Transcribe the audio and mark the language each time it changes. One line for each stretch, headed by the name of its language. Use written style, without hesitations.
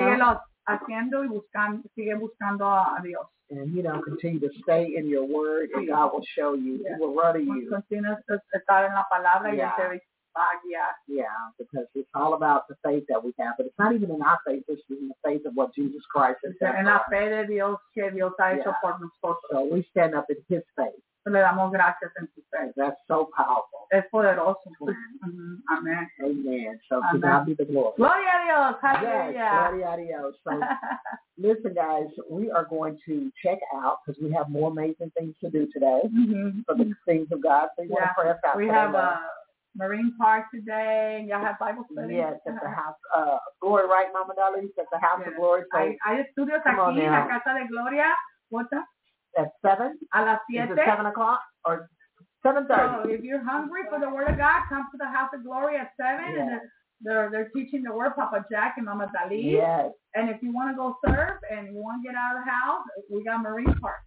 Spanish: Síguelo haciendo y buscando, sigue buscando a Dios.
English: And, you know, continue to stay in your word and God will show you. Yeah. He will run to you.
Spanish: Estar en la palabra y te va a guiar.
English: Yeah, because it's all about the faith that we have. But it's not even in our faith. It's in the faith of what Jesus Christ has done.
Spanish: En la fe de Dios que Dios ha hecho por nosotros.
English: So we stand up in his faith.
Spanish: Le damos gracias en su fe.
English: That's so powerful.
Spanish: Es poderoso. Mm-hmm.
English: Amen. Amen. So amen. To God be the glory.
Spanish: Gloria a Dios. Hallelujah.
English: Yes,
Spanish: gloria a Dios.
English: So listen, guys, we are going to check out because we have more amazing things to do today for mm-hmm. the things of God. So you want to pray us out. We have a Marine Park today. Y'all have Bible study. Yes, at the house of glory, right, Mama Dolly? At the house of glory. So,
Spanish: hay estudios aquí en la Casa de Gloria.
English: What's up? At 7?
Spanish: A las 7.
English: Is it 7 o'clock? Or 7:30? So if you're hungry for the Word of God, come to the house of glory at 7. Yes. And they're teaching the Word, Papa Jack and Mama Dolly. Yes. And if you want to go serve and you want to get out of the house, we got Marine Park.